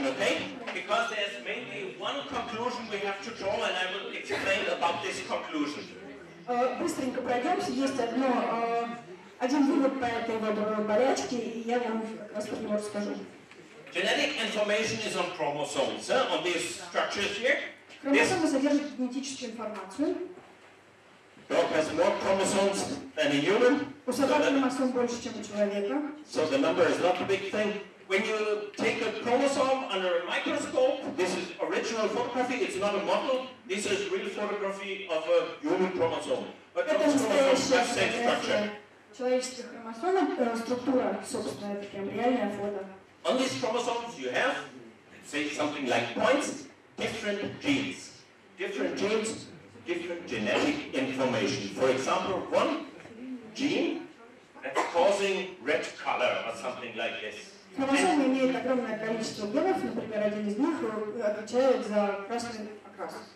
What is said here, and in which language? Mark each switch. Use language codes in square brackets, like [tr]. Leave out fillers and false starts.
[en] conclusion we have to draw, and I will explain about this conclusion. [ru] Быстренько пройдемся. Есть одно, один вывод по этой болячке, и я вам его расскажу. [en] Genetic information is on chromosomes, huh? On these structures here. [ru] Хромосомы содержат генетическую информацию. [en] Dog has more chromosomes than a human. [ru] У собаки хромосом больше, чем у человека. [en] So the number is not a big thing. When you take a chromosome under a microscope, this is original photography, it's not a model. This is real photography of a human chromosome. But dog's chromosomes have same structure. [ru] Человеческие хромосомы, структура, собственно, это прям реальное фото. [en] On these chromosomes you have, say something like points, different genes. Different genes, different genetic information. For example, one gene that's causing red color or something like this. [ru] Хромосомы имеют огромное количество генов, например, один из них отвечает за красный окрас.